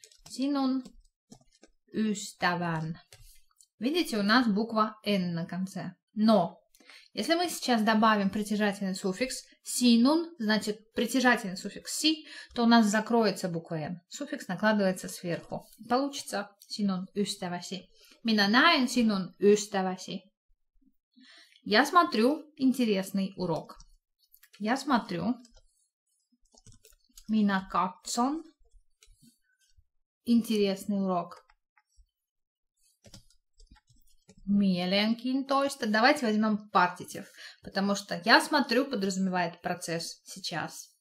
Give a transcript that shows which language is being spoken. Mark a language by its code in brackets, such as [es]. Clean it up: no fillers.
[fi] sinun ystävän. [ru] Видите, у нас буква N на конце. Но, если мы сейчас добавим притяжательный суффикс sinun, значит, притяжательный суффикс si, то у нас закроется буква N. Суффикс накладывается сверху. Получится [fi] sinun ystäväsi. Minä näen sinun ystäväsi. [ru] Я смотрю интересный урок. Я смотрю. [fi] Minä katson. [ru] Интересный урок. [fi] Mielenkiintoista. [ru] Давайте возьмем партитив, потому что я смотрю подразумевает процесс сейчас.